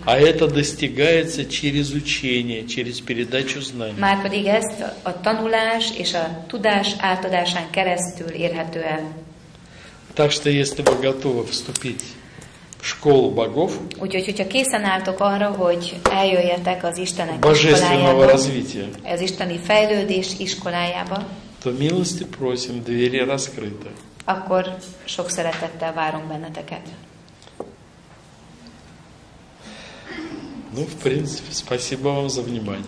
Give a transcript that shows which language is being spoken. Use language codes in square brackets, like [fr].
[ru] А это достигается через учение, через передачу знаний. [hu] Már pedig ezt a tanulás és a tudás átadásán keresztül érhető el. [ru] Так что если вы готовы вступить в школу богов, [hu] úgyhogy, hogyha készen álltok arra, hogy eljöjjetek az Istenek [ru] божественного развития, [hu] az isteni fejlődés iskolájába, [ru] то милости просим, двери раскрыты. [hu] Akkor sok szeretettel várunk benneteket. [ru] Ну, в принципе, спасибо вам за внимание.